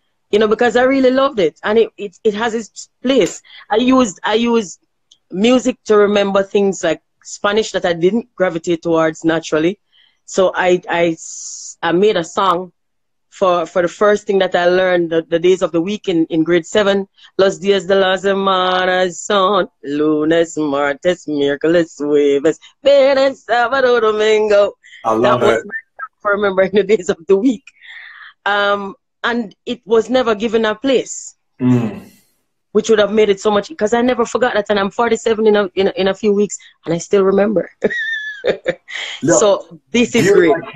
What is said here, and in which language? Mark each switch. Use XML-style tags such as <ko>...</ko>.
<en>You know, because I really loved it, and it has its place. I used music to remember things like Spanish that I didn't gravitate towards naturally. So I made a song for the first thing that I learned, the days of the week in grade 7.</en> <es>Los días de la semana son lunes, martes, miércoles, jueves, viernes, sábado, domingo.</es> <en>That was my song for remembering the days of the week. And it was never given a place, which would have made it so much, because I never forgot that. And I'm 47 in a few weeks, and I still remember. No, so this is great.</en>